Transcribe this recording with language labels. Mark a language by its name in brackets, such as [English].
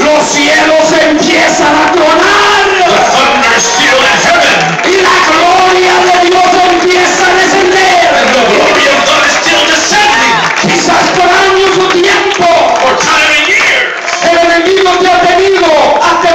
[Spanish] Los cielos empiezan a tronar. [English] The thunder is still in heaven. [Spanish] Y la gloria de Dios empieza a descender. [English] And the glory of God is still descending. [Spanish] Quizás por años o tiempo. [English] For time and years. [Spanish] El enemigo te ha tenido a